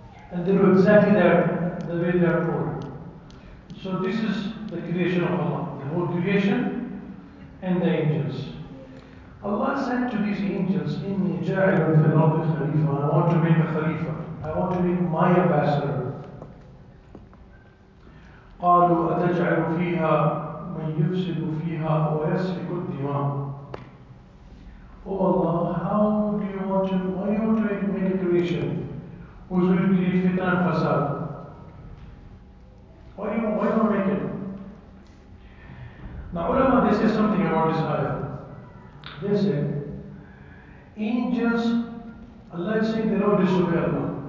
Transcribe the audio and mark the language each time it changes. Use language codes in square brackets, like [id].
[en] And they do exactly the way they are told. So this is the creation of Allah. The whole creation and the angels. Allah said to these angels, [ar] إِنِّي جَعِلٌ فِي الْأَرْضِ خَلِيفَةً. [en] I want to make a khalifa. I want to make my ambassador. [ar] قالوا أتجعل فيها من يفسد فيها ويسفك الدماء. [en] Oh Allah, how do you want to, why you want to make a creation who's going to create fitnah and fasad? Why do you make it? Now ulama, they say something about this ayah. They say, angels, Allah is saying they don't disobey Allah.